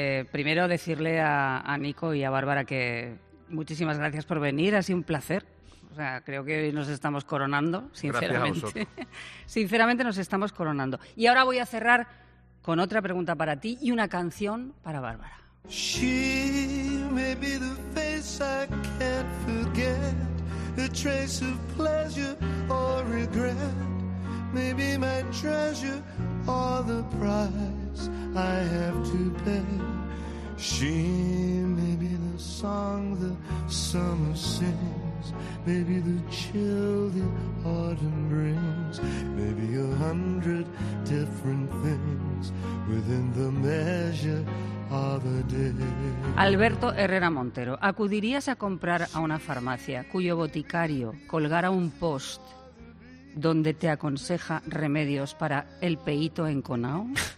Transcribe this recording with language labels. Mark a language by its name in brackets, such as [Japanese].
[Spanish] Primero decirle a Nico y a Bárbara que muchísimas gracias por venir, ha sido un placer. O sea, creo que hoy nos estamos coronando, sinceramente. Sinceramente nos estamos coronando. Y ahora voy a cerrar con otra pregunta para ti y una canción para Bárbara. [English] She may be the face I can't forget, a trace of pleasure or regret. Maybe my treasure or the price I have to pay. She may be the song the summer sings, maybe the chill the autumn brings, maybe 100 different things within the measure of a day. [Spanish] Alberto Herrera Montero, ¿acudirías a comprar a una farmacia cuyo boticario colgara un post donde te aconseja remedios para el peito enconao?